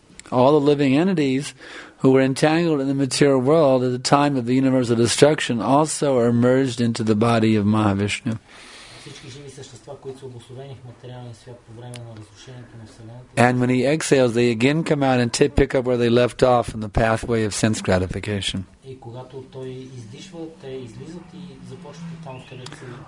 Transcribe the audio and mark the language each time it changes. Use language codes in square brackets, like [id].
[en] All the living entities who were entangled in the material world at the time of the universal destruction also are merged into the body of Mahavishnu. [bg] всички живи същества, които са обусловени в материалния свят по време на разрушението на вселената. [en] And when he exhales, they again come out and pick up where they left off in the pathway of sense gratification. [bg] И когато той издишва, те излизат и започват там, където са.